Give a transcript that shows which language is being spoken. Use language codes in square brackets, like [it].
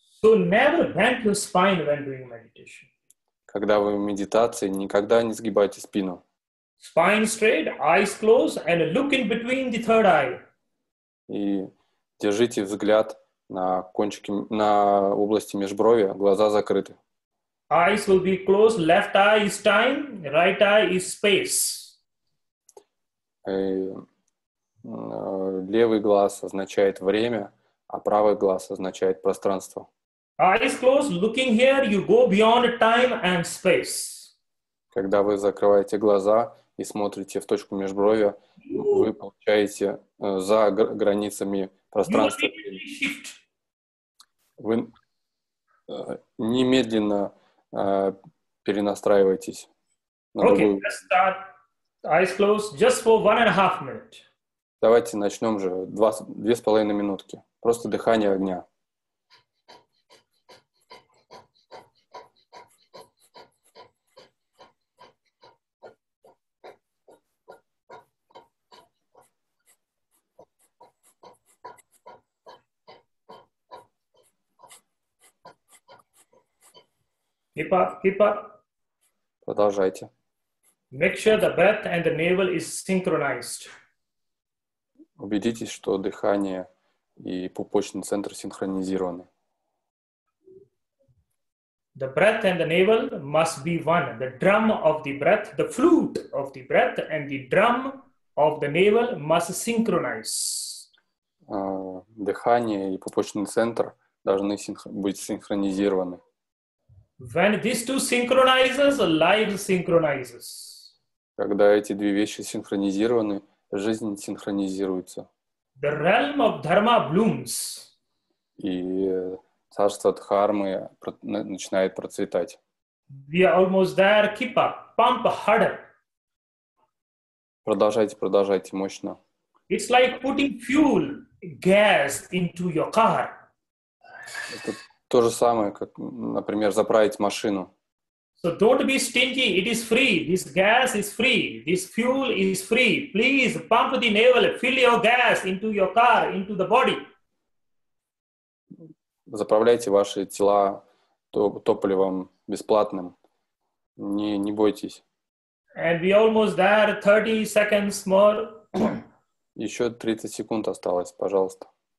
[en] So never bend your spine when doing meditation. [ru] Когда вы в медитации, никогда не сгибайте спину. [en] Spine straight, eyes closed, and look in between the third eye. [ru] И держите взгляд на кончике, на области межброви, глаза закрыты. [en] Eyes will be closed. Left eye is time. Right eye is space. [ru] Левый глаз означает время, а правый глаз означает пространство. [en] Eyes closed, looking here, you go beyond time and space. [ru] Когда вы закрываете глаза и смотрите в точку межброви, вы получаете за границами пространства. Вы немедленно перенастраиваетесь. [en] Okay, let's start. Eyes closed, just for 1.5 minutes. [ru] Давайте начнем же. 2.5 минутки. Просто дыхание огня. [en] Keep up. [ru] Продолжайте. [en] Make sure the breath and the navel is synchronized. [ru] Убедитесь, что дыхание и пупочный центр синхронизированы. [en] The breath and the navel must be one. The drum of the breath, the flute of the breath and the drum of the navel must synchronize. [ru] Дыхание и пупочный центр должны быть синхронизированы. [en] When these two synchronizes, life synchronizes. [ru] Когда эти две вещи синхронизированы, жизнь синхронизируется. [en] The realm of dharma blooms. [ru] И царство дхармы начинает процветать. [en] We are almost there. Keep up. Pump harder. [ru] Продолжайте мощно. [en] It's like putting fuel, gas into your car. [ru] То же самое, как, например, заправить машину. [en] So don't be stingy, it is free. This gas is free. This fuel is free. Please pump the navel, fill your gas into your car, into the body. [ru] Заправляйте ваши тела топливом бесплатным. Не бойтесь. [en] And we almost there, 30 seconds more. [ru] Еще 30 секунд осталось, пожалуйста.